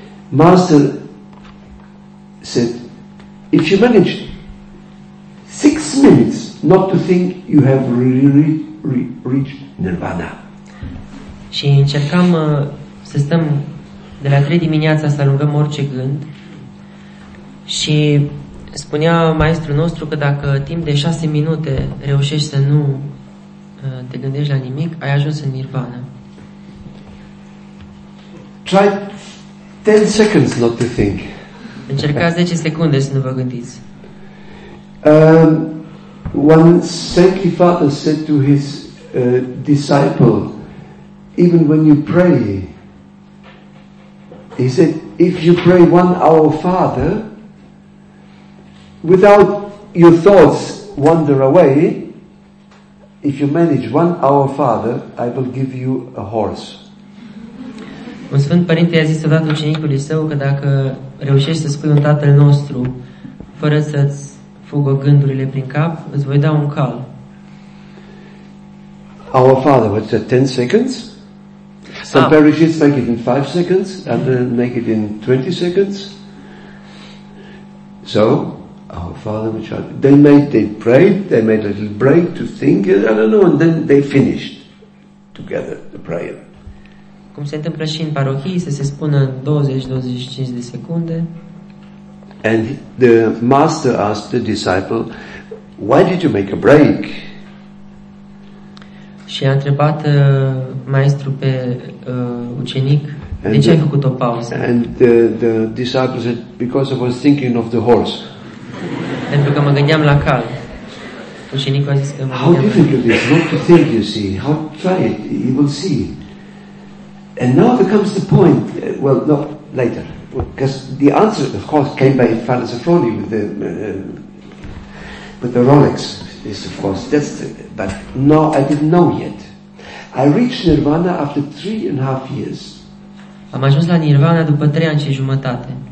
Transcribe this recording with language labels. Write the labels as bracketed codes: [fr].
[en] Master said, if you manage 6 minutes not to think, you have reached nirvana. [ro] Și încercam să stăm de la 3 dimineața să alungăm orice gând și spunea maestrul nostru că dacă timp de 6 minute reușești să nu te gândești la nimic, ai ajuns în nirvana. [en] Try 10 seconds not to think. [ro] Încercați 10 secunde să nu vă gândiți. [en] One saintly father said to his disciple, even when you pray, he said, if you pray one Our Father without your thoughts wander away, if you manage one Our Father, I will give you a horse. [ro] Un Sfânt Părinte i-a zis odată ucenicului său că dacă reușești să spui un Tatăl nostru fără să-ți fugă gândurile prin cap, îți voi da un cal. [en] Our Father, what's that, 10 seconds? Some parishes make it in 5 seconds, others make it in 20 seconds. So, Our Father, which are, they prayed a little break to think, I don't know, and then they finished together the prayer. [ro] Cum se întâmplă și în parohii, să se spună 20-25 de secunde. [en] And the master asked the disciple, why did you make a break? [ro] Și a întrebat maestrul pe ucenic, de ce ai făcut o pauză? [en] And the disciple said, because I was thinking of the horse. [ro] Pentru că mă gândeam la cal. Ucenicul a zis că mă gândeam. [en] How difficult is it not to think, you see? How, try it, you will see. And now there comes the point, well, no, later, because the answer, of course, came by Father Zaffroni with the Rolex, is of course, that's the, but no, I didn't know yet. I reached Nirvana after 3.5 years. [ro] Am ajuns la Nirvana după 3 ani și jumătate.